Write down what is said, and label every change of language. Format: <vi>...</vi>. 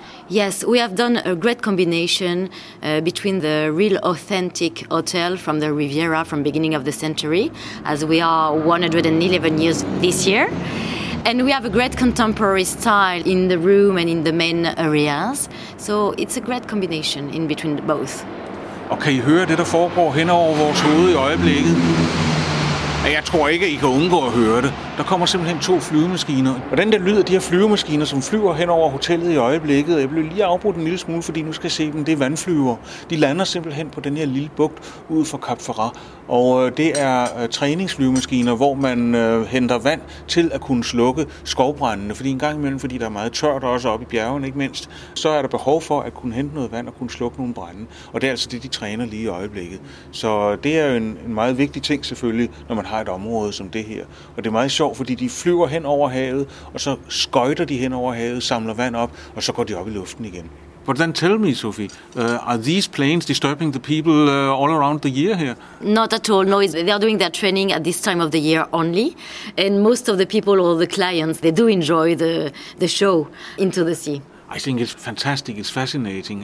<en>Yes, we have done a great combination between the real authentic hotel from the Riviera from beginning of the century, as we are 111 years this year. And we have a great contemporary style in the room and in the main areas. So it's a great combination in between both.</en> <da>Og kan I høre det, der foregår hen over vores hoved i øjeblikket? Jeg tror ikke, at I kan undgå at høre det. Der kommer simpelthen to flyvemaskiner. Og den der lyd af de her flyvemaskiner, som flyver hen over hotellet i øjeblikket, jeg blev lige afbrudt en lille smule, fordi nu skal jeg se dem, det er vandflyver. De lander simpelthen på den her lille bugt ud for Cap Ferrat. Og det er træningsflyvemaskiner, hvor man henter vand til at kunne slukke skovbrændene. Fordi en gang imellem, fordi der er meget tørt også oppe i bjergene, ikke mindst, så er der behov for at kunne hente noget vand og kunne slukke nogle brænde. Og det er altså det, de træner lige i øjeblikket. Så det er jo en meget vigtig ting selvfølgelig, når man har et område som det her. Og det er meget sjovt, fordi de flyver hen over havet, og så skøjter de hen over havet, samler vand op, og så går de op i luften igen.</da> <en>But then tell me, Sophie, are these planes disturbing the people all around the year here? Not at all. No, they are doing their training at this time of the year only. And most of the people or the clients, they do enjoy the show into the sea. I think it's fantastic. It's fascinating.</en>